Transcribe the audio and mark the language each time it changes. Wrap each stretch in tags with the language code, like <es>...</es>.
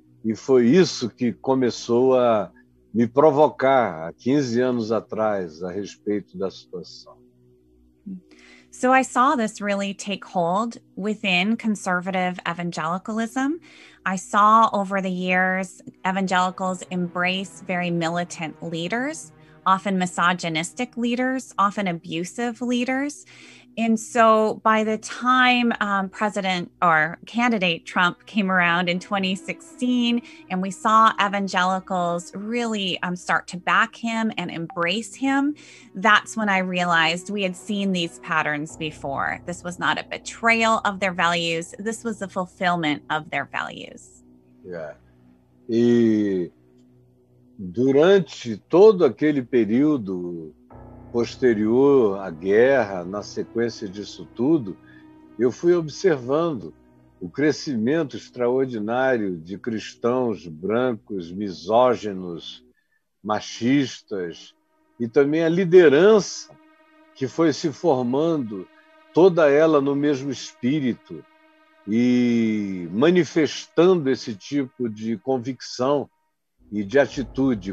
<pt>E foi isso que começou a me provocar há 15 anos atrás a respeito da situação.</pt> <en>So I saw this really take hold within conservative evangelicalism. I saw over the years evangelicals embrace very militant leaders, often misogynistic leaders, often abusive leaders. And so by the time President or candidate Trump came around in 2016 and we saw evangelicals really start to back him and embrace him, that's when I realized we had seen these patterns before. This was not a betrayal of their values. This was a fulfillment of their values.</en> <pt>E durante todo aquele período posterior à guerra, na sequência disso tudo, eu fui observando o crescimento extraordinário de cristãos brancos, misóginos, machistas, e também a liderança que foi se formando, toda ela no mesmo espírito, e manifestando esse tipo de convicção e de atitude.</pt>